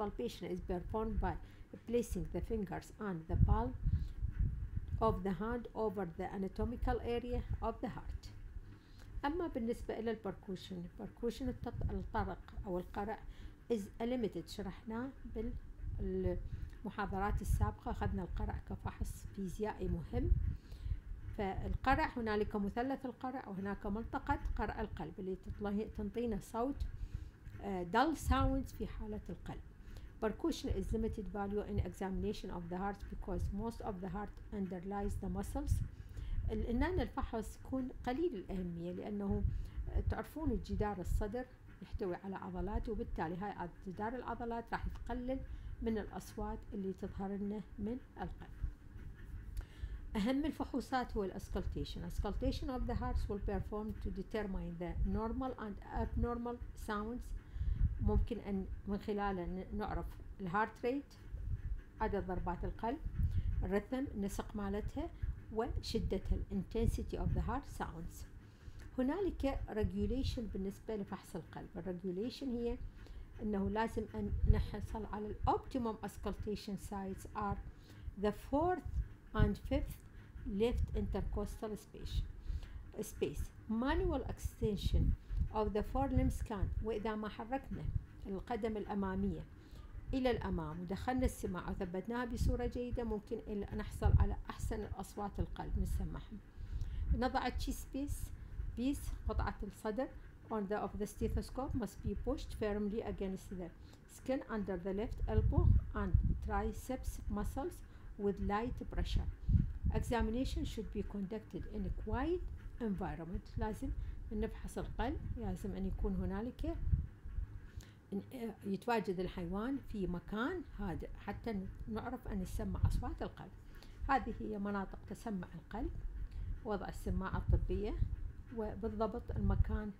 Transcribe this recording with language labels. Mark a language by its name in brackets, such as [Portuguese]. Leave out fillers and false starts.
[English] palpation is performed by placing the fingers on the palm of the hand over the anatomical area of the heart. [Arabic] اما بالنسبة الى البركوشن، البركوشن الطرق او القرع [English] is limited، [Arabic] شرحناه المحاضرات السابقة، أخذنا القرع كفحص فيزيائي مهم. فالقرع هنالك مثلث القرع وهناك منطقة قرع القلب اللي تنطينا صوت dull sounds في حالة القلب. [English] Percussion is limited value in examination of the heart because most of the heart underlies the muscles. [Arabic] الإنان الفحص يكون قليل الأهمية لأنه تعرفون الجدار الصدر يحتوي على عضلات وبالتالي هاي جدار العضلات راح يقلل من الأصوات اللي تظهر لنا من القلب. أهم الفحوصات هو الأسكولتيشن. [English] Auscultation of the heart will perform to determine the normal and abnormal sounds. [Arabic] ممكن أن من خلاله نعرف الهارت ريت، عدد ضربات القلب، الرتم، النسق مالتها وشدتها [English] intensity of the heart sounds. [Arabic] هنالك regulation بالنسبة لفحص القلب. الregulation هي أنه لازم أن نحصل على [English] the optimum auscultation sites are the fourth and fifth left intercostal space. Manual extension of the forelimb scan. [Arabic] وإذا ما حركنا القدم الأمامية إلى الأمام ودخلنا السماعة وثبتناها بصورة جيدة ممكن أن نحصل على أحسن الأصوات القلب نسمعها. نضع التشي سبيس بيس قطعة الصدر [English] on the of the stethoscope must be pushed firmly against the skin under the left elbow and triceps muscles with light pressure. Examination should be conducted in a quiet environment. [Arabic] لازم نفحص القلب، لازم أن يكون هنالك يتواجد الحيوان في مكان هادئ حتى نعرف أن نسمع أصوات القلب. هذه هي مناطق تسمع القلب، وضع السماعة الطبية، وبالضبط المكان.